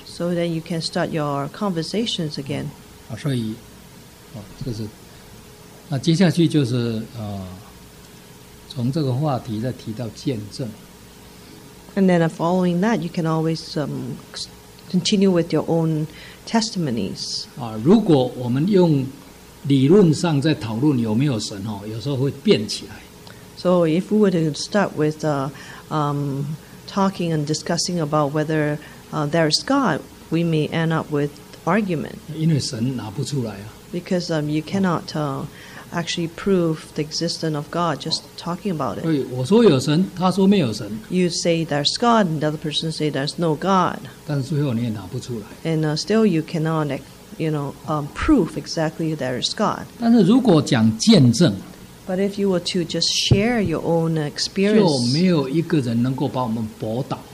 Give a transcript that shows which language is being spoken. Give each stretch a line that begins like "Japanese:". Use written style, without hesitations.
English: So then you can start your conversations again.
Chinese: 所以，这是，那接下去就是从这个话题再提到见证。
English: And then following that, you can always continue with your own testimonies.
Chinese: 啊，如果我们用理论上在讨论有没有神哦，有时候会变起来。
English: So if we were to start with talking and discussing about whether there is God, we may end up with argument.
Chinese: 因为神拿不出来啊。
English: Because you cannot actually prove the existence of God just talking about it.
Chinese: 对，我说有神，他说没有神。
English: You say there's God, and the other person say there's no God.
Chinese: 但是最后你也拿不出来。
English: And still you cannot, you know, prove exactly there is God.
Chinese: 但是如果讲见证。
English: But if you were to just share your own experience,
Chinese: 就没有一个人能够把我们驳倒。